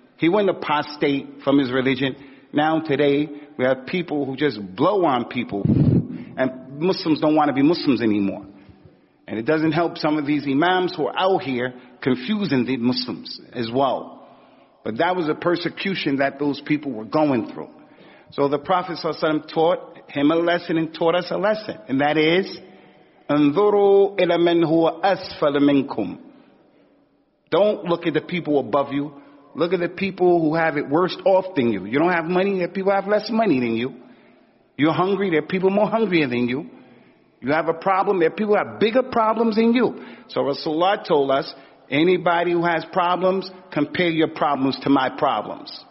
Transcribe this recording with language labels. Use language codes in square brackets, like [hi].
[en] He wouldn't apostate from his religion. Now today, we have people who just blow on people, and Muslims don't want to be Muslims anymore. And it doesn't help some of these imams who are out here confusing the Muslims as well. But that was a persecution that those people were going through. So the Prophet ﷺ taught him a lesson and taught us a lesson. [ar] And that is, انظروا إلى من هو أسفل منكم. [en] Don't look at the people above you. Look at the people who have it worse off than you. You don't have money, there are people who have less money than you. You're hungry, there are people more hungrier than you. You have a problem, there are people who have bigger problems than you. So Rasulullah told us, anybody who has problems, compare your problems to my problems.